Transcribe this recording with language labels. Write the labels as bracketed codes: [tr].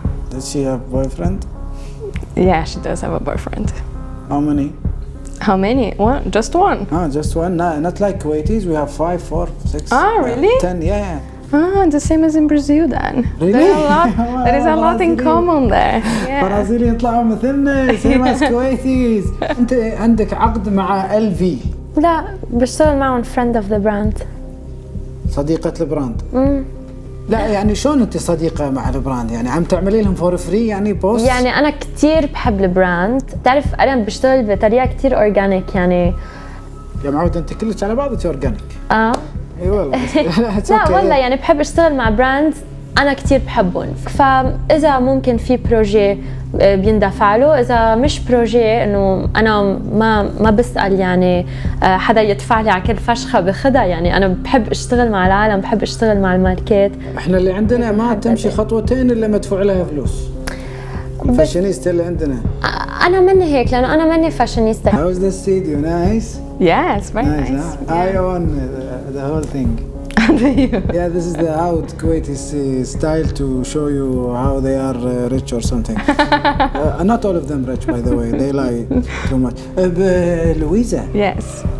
[en] Does she have a boyfriend? Yeah, she does have a boyfriend. How many? One, just one. Oh, just one. No, not like Kuwaitis. We have 5, 4, 6. Oh, really? 10. Yeah. Ah, the same as in Brazil then. Really? There is a lot in common there. [ar] Brazilian, طلعوا مثلنا. [en] Same as Kuwaitis. [ar] أنت عندك عقد مع LV. لا, بشتغل معهم [en] friend of the brand. [ar] صديقة البراند. لا يعني شلون انت صديقة مع البراند يعني عم تعملي لهم [en] for free [ar] يعني بوست يعني انا كثير بحب البراند بتعرف انا بشتغل بطريقة كثير اورجانيك يعني يا معود انت كلش على بعضك اورجانيك اي والله لا والله يعني بحب اشتغل مع براند انا كثير بحبهم فاذا ممكن في بروجي بيندفع له اذا مش بروجي انه انا ما بسال يعني حدا يدفع لي على كل فشخه بخدها يعني انا بحب اشتغل مع العالم بحب اشتغل مع الماركات احنا اللي عندنا ما تمشي خطوتين الا مدفوع لها فلوس الفاشينيستا اللي عندنا انا مني هيك لانه انا مني فاشينيستا [en] How is the studio nice yes very nice huh? Yeah. I own the whole thing yeah, this is the how Kuwaiti style to show you how they are rich or something. Not all of them rich, by the way. They lie too much. Louisa. Yes.